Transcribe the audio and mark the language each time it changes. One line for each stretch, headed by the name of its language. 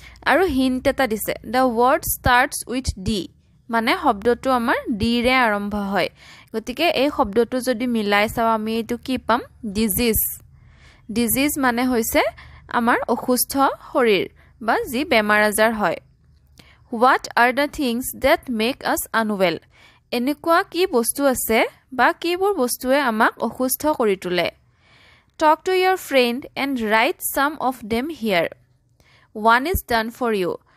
Assamese: আৰু হিন্ট এটা দিছে,
English: the word starts with D,
Assamese: মানে শব্দটো আমাৰ ডিৰে আৰম্ভ হয়। গতিকে এই শব্দটো যদি মিলাই চাওঁ আমি এইটো কি পাম?
English: Disease.
Assamese: ডিজিজ মানে হৈছে আমাৰ অসুস্থ শৰীৰ বা যি বেমাৰ আজাৰ হয়।
English: what are the things that make us unwell,
Assamese: এনেকুৱা কি বস্তু আছে বা কিবোৰ বস্তুৱে আমাক অসুস্থ কৰি তোলে?
English: Talk to your friend and write some of them here, one is done for you.